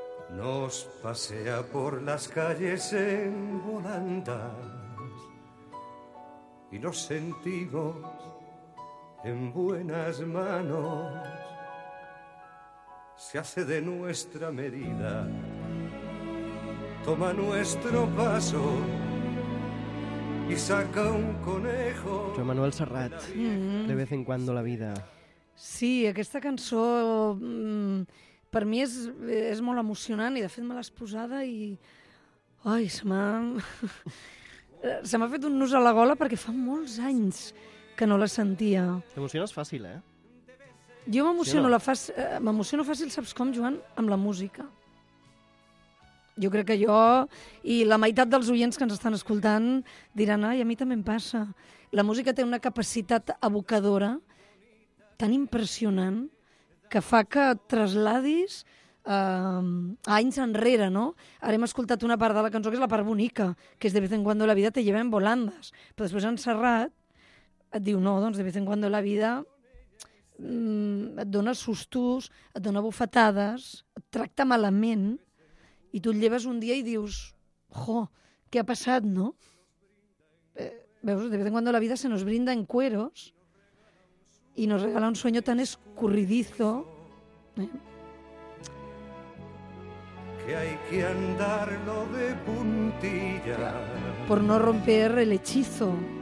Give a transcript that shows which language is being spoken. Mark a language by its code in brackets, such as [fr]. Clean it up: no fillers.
[es] Nos pasea por las calles en volandas y nos sentimos en buenas manos. Se hace de nuestra medida, toma nuestro paso y saca un conejo. Joan Manuel Serrat, De vez en cuando la vida. [ca] Sí, aquesta cançó per mi és molt emocionant i de fet me l'has posada i... Ai, se m'ha fet un nus a la gola perquè fa molts anys que no la sentia. T'emociones fàcil, eh? Jo m'emociono, sí, no? M'emociono fàcil, saps com, Joan? Amb la música. Jo crec que jo i la meitat dels oients que ens estan escoltant diran, ai, a mi també em passa. La música té una capacitat evocadora tan impressionant que fa que trasladis anys enrere, no? Ara hem escoltat una part de la cançó que és la part bonica, que és [es] De vez en cuando la vida te lleva en volandas. [ca] Però després en Serrat et diu, no, doncs [es] De vez en cuando la vida [ca] et dona sustos, et dona bufetades, et tracta malament... I tu et lleves un dia i dius, jo, què ha passat, no? [es] Veus, de vez en cuando la vida se nos brinda en cueros i nos regala un sueño tan escurridizo. Que hay que andarlo de puntillas. Por no romper el hechizo.